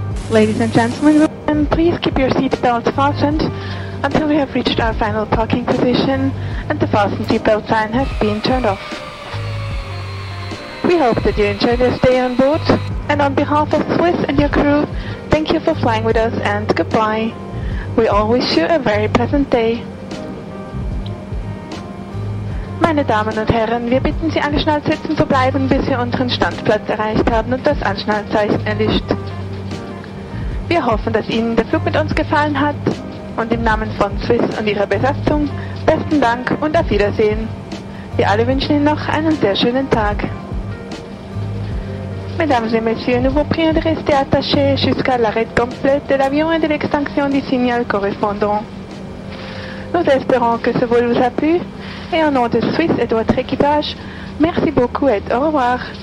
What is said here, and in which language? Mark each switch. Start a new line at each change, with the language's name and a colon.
English: Ladies and gentlemen, and please keep your seatbelts fastened until we have reached our final parking position and the fasten seatbelt sign has been turned off. We hope that you enjoy your stay on board, and on behalf of Swiss and your crew, thank you for flying with us and goodbye. We all wish you a very pleasant day.
German: Meine Damen und Herren, wir bitten Sie, angeschnallt sitzen zu bleiben, bis wir unseren Standplatz erreicht haben und das Anschnallzeichen erlischt. Wir hoffen, dass Ihnen der Flug mit uns gefallen hat und im Namen von Swiss und Ihrer Besatzung besten Dank und auf Wiedersehen. Wir alle wünschen Ihnen noch einen sehr schönen Tag.
French: Mesdames et Messieurs, nous vous prions de rester attachés jusqu'à l'arrêt complet de l'avion et de l'extinction du signal correspondant. Nous espérons que ce vol vous a plu et au nom de Swiss et de votre équipage, merci beaucoup et au revoir.